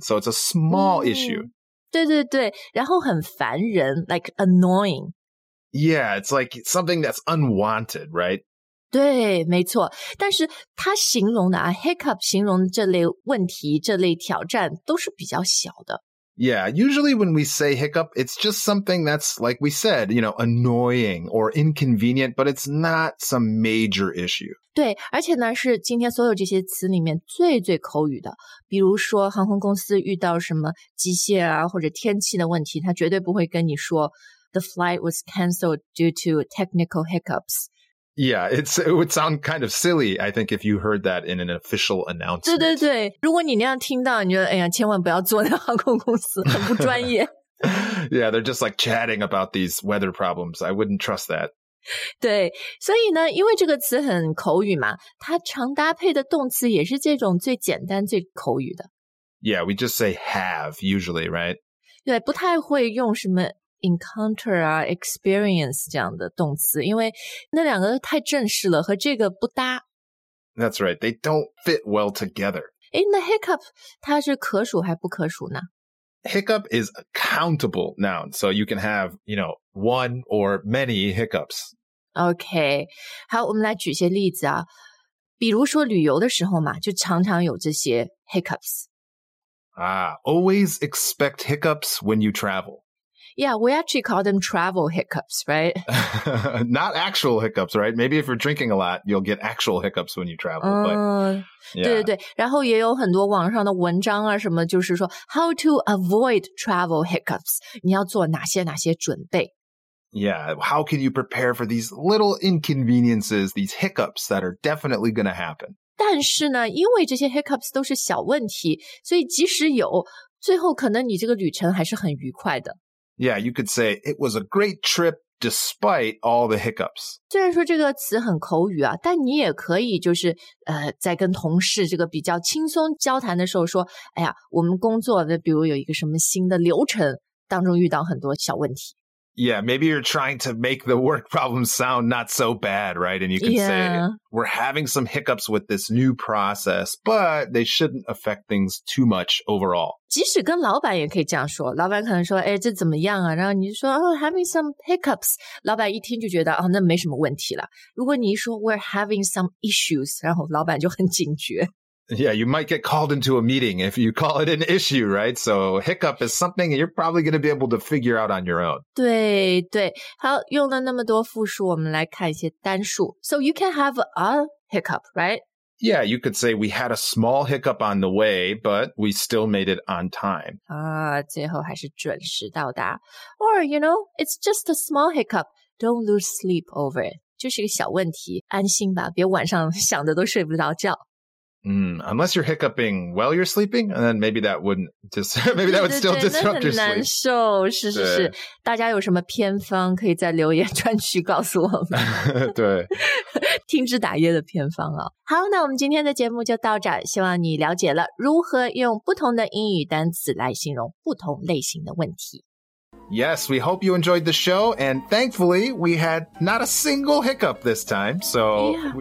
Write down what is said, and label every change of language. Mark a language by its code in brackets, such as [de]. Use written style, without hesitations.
[en] So it's a small issue. [zh] 对对对然后很烦人 [en] like annoying. Yeah, it's like something that's unwanted, right? [zh] 对没错但是它形容的啊 hiccup 形容这类问题这类挑战都是比较小的。 [en] Yeah, usually when we say hiccup, it's just something that's, like we said, you know, annoying or inconvenient, but it's not some major issue. [zh] 对，而且呢，是今天所有这些词里面最最口语的。比如说航空公司遇到什么机械啊，或者天气的问题，他绝对不会跟你说 [en] the flight was canceled due to technical hiccups. Yeah, it would sound kind of silly, I think, if you heard that in an official announcement. [zh] 对对对，如果你那样听到，你觉得哎呀，千万不要坐那航空公司，很不专业。 [en] Yeah, they're just like chatting about these weather problems. I wouldn't trust that. [zh] 对，所以呢，因为这个词很口语嘛，它常搭配的动词也是这种最简单、最口语的。 [en] Yeah, we just say have, usually, right? [zh] 对，不太会用什么。 Encounter 啊 experience 这样的动词因为那两个太正式了和这个不搭 [en] That's right, they don't fit well together [zh] 诶那 hiccup 它是可数还不可数呢 [en] Hiccup is a countable noun so you can have, you know, one or many hiccups [zh] OK 好我们来举些例子啊比如说旅游的时候嘛就常常有这些 hiccups [en] Ah, always expect hiccups when you travel Yeah, we actually call them travel hiccups, right? Not actual hiccups, right? Maybe if you're drinking a lot, you'll get actual hiccups when you travel. But, yeah. [zh] 对对对，然后也有很多网上的文章啊什么，就是说 [en] how to avoid travel hiccups， [zh] 你要做哪些哪些准备。 [en] Yeah, how can you prepare for these little inconveniences, these hiccups that are definitely going to happen? [zh] 但是呢，因为这些 hiccups 都是小问题，所以即使有，最后可能你这个旅程还是很愉快的。 [en] Yeah, you could say it was a great trip despite all the hiccups. [zh] 虽然说这个词很口语啊，但你也可以就是在跟同事这个比较轻松交谈的时候说，哎呀，我们工作的比如有一个什么新的流程当中遇到很多小问题。 [en] Yeah, maybe you're trying to make the work problem sound not so bad, right? And you can say, we're having some hiccups with this new process, but they shouldn't affect things too much overall. [zh] 即使跟老板也可以这样说，老板可能说，哎，这怎么样啊？然后你就说， [en] oh, having some hiccups. [zh] 老板一听就觉得，哦，那没什么问题了。如果你说 [en] we're having some issues, [zh] 然后老板就很警觉。 [en] Yeah, you might get called into a meeting if you call it an issue, right? So hiccup is something you're probably going to be able to figure out on your own. [zh] 对对，好，用了那么多复数，我们来看一些单数。 [en] So you can have a hiccup, right? Yeah, you could say we had a small hiccup on the way, but we still made it on time. [zh] 啊，最后还是准时到达。 [en] Or, you know, it's just a small hiccup. Don't lose sleep over it. [zh] 就是个小问题，安心吧，别晚上想的都睡不着觉。 [en] Unless you're hiccuping while you're sleeping, and then maybe that wouldn't just, maybe that would still disrupt your sleep. [zh] 难受，是是是。大家有什么偏方可以在留言专区告诉我们。对。听之打叶的偏方啊。好，那我们今天的节目就到这儿，希望你了解了如何用不同的英语单词来形容不同类型的问题。 [en] Yes, we hope you enjoyed the show, and thankfully, we had not a single hiccup this time, so...